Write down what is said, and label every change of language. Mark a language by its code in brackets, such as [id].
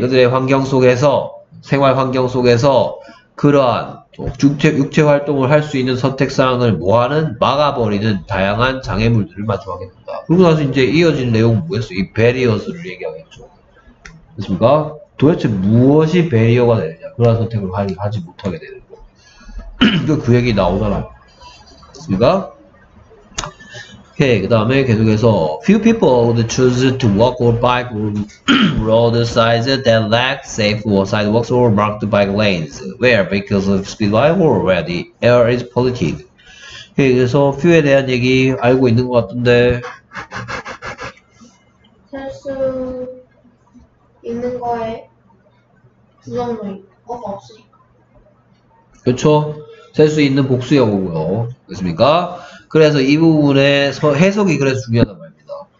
[ko] 그들의 환경 속에서, 생활 환경 속에서 그러한 육체 활동을 할 수 있는 선택사항을 뭐하는? 막아버리는 다양한 장애물들을 마주하게 된다. 그리고 나서 이제 이어진 내용은 뭐겠어? 이 베리어스를 얘기하겠죠. 됐습니까? 도대체 무엇이 베리어가 되느냐? 그러한 선택을 하지 못하게 되는 거. 그 얘기 나오잖아. 됐습니까? 오케이. 그 다음에 계속해서 [en] Few people would choose to walk or bike road sides that lack safe sidewalks or marked bike lanes. Where? Because of speed line or where the air is polluted. [ko] 그래서 Few에 대한 얘기 알고 있는 것 같은데 할 수 있는 거에 부정도 없어 그렇죠? 할 수 있는 복수형이고요. 그렇습니까? 그래서 이 부분의 해석이 그래서 중요하단 말입니다.